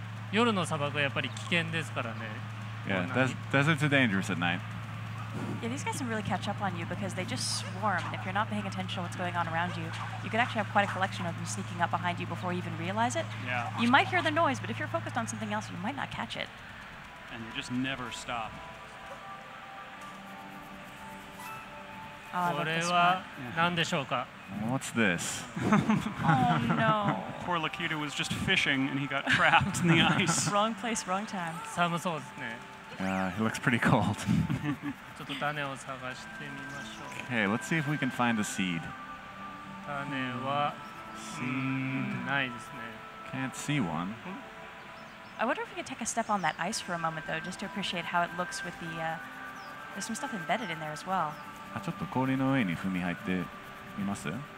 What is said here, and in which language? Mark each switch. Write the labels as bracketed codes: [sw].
[ja] 夜の砂漠はやっぱり危険ですからね。 [en] Yeah, deserts are dangerous at night. Yeah, these guys can really catch up on you because they just swarm. If you're not paying attention to what's going on around you, you could actually have quite a collection of them sneaking up behind you before you even realize it. Yeah. You might hear the noise, but if you're focused on something else, you might not catch it. And they just never stop. [ja] これは何でしょうか? [en] What's this? Oh no. Poor Lakita was just fishing and he got trapped in the ice. Wrong place, wrong time. [ja] 寒そうですね。 [en] He looks pretty cold. [ja] ちょっと種を探してみましょう。 [en] Okay, let's see if we can find a seed. [ja] 種は、ないですね。 [en] Can't see one. I wonder if we could take a step on that ice for a moment though, just to appreciate how it looks with the, there's some stuff embedded in there as well. [ja] あ、ちょっと氷の上に踏み入ってみます?